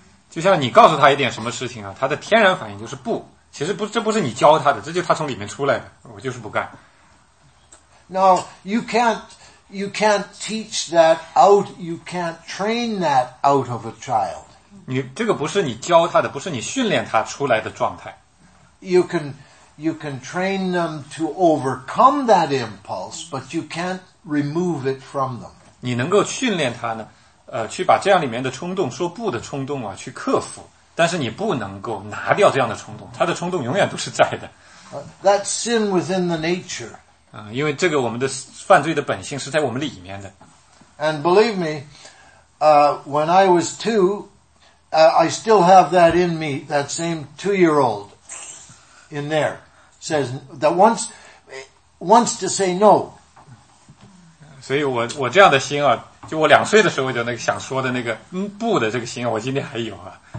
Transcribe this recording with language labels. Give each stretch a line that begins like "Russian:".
Chinese: 就像你告诉他一点什么事情啊，他的天然反应就是不。其实不，这不是你教他的，这就他从里面出来的。我就是不干。
English: Now you can't teach that out. You can't train that out of a child.
Chinese: 你这个不是你教他的，不是你训练他出来的状态。
English: You can train them to overcome that impulse, but you can't remove it from them.
Chinese: 你能够训练他呢，去把这样里面的冲动，说不的冲动啊，去克服。但是你不能够拿掉这样的冲动，他的冲动永远都是在的。
English: That's sin within the nature.
Chinese: 因为这个我们的犯罪的本性是在我们里面的。
English: And believe me, when I was two, I still have that in me, that same two-year-old in there, says that wants to say no.
Chinese: 所以我这样的心啊，就我两岁的时候就那个想说的那个不的这个心，我今天还有啊。